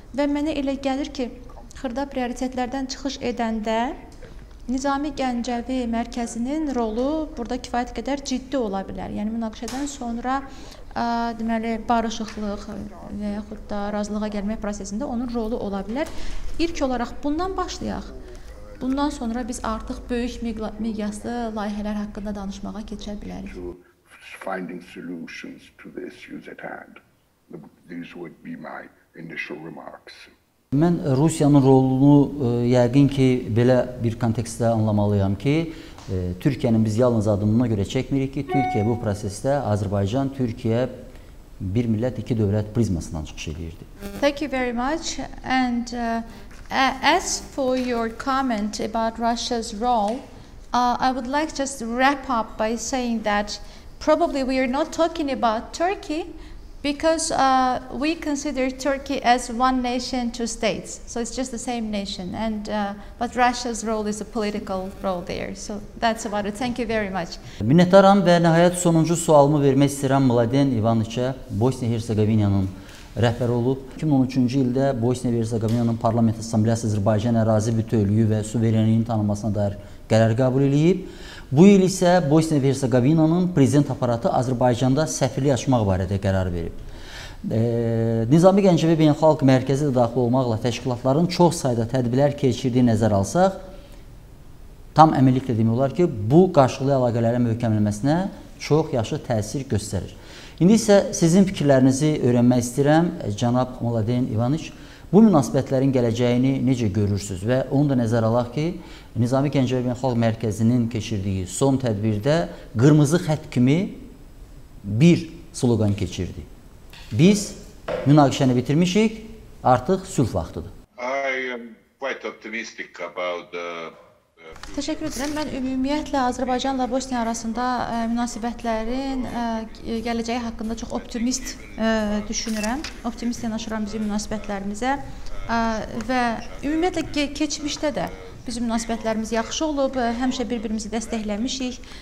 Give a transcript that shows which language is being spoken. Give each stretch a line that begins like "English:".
Azerbaijani: Və mənə elə gəlir ki, xırda prioritetlərdən çıxış edəndə Nizami Gəncəvi mərkəzinin rolu burada kifayət qədər ciddi ola bilər. Yəni, münaqişədən sonra deməli, barışıqlıq və yaxud da razılığa gəlmək prosesində onun rolu ola bilər. İlk olaraq bundan başlayaq. Bundan sonra biz artıq böyük miqyaslı layihələr haqqında danışmağa keçə bilərik.
English: Finding solutions to the issues at hand. These would be my initial remarks.
Azerbaijani: Mən Rusiyanın rolunu yəqin ki, belə bir kontekstdə anlamalıyam ki, Türkiyənin biz yalnız adımına görə çəkmirik ki, Türkiyə bu prosesdə Azərbaycan, Türkiyə bir millət, iki dövlət prizmasından çıxış edirdi.
English: Thank you very much. And as for your comment about Russia's role, I would like just wrap up by saying that probably we are not talking about Turkey because we consider Turkey as one nation, two states. So it's just the same nation. And but Russia's role is a political role there. So that's about it. Thank you very much.
Azerbaijani: Minnətdaram və nəhayət sonuncu sualımı vermək istəyirəm Mladen İvaniçə, Bosniya-Hersegovinyanın rəhbər olub. 2013-cü ildə Bosniya və Hersegovinyanın Parlament Assambleyası Azərbaycan ərazi bütövlüyü və suverenliyin tanınmasına dair qərar qəbul edib. Bu il isə Bosniya və Hersegovinyanın prezident aparatı Azərbaycanda səfirlik açmaq barədə qərar verib. Nizami Gəncəvi Beynəlxalq Mərkəzi də daxil olmaqla təşkilatların çox sayda tədbirlər keçirdiyi nəzər alsaq, tam əminliklə demək olar ki, bu qarşılıqlı əlaqələrin möhkəmlənməsinə çox yaxşı təsir göstərir. İndi isə sizin fikirlərinizi öyrənmək istəyirəm, cənab Mladen İvaniç. Bu münasibətlərin gələcəyini necə görürsünüz? Və onu da nəzərə alaq ki, Nizami Gəncəvi Beynəlxalq Mərkəzinin keçirdiyi son tədbirdə qırmızı xətt kimi bir slogan keçirdi. Biz münaqişəni bitirmişik, artıq sülh vaxtıdır.
English: I am quite optimistic about the...
Azerbaijani: Təşəkkür edirəm. Mən ümumiyyətlə Azərbaycanla Bosniya arasında münasibətlərin gələcəyi haqqında çox optimist düşünürəm. Optimist yanaşıram bizim münasibətlərimizə və ümumiyyətlə keçmişdə də bizim münasibətlərimiz yaxşı olub, həmişə bir-birimizi dəstəkləmişik.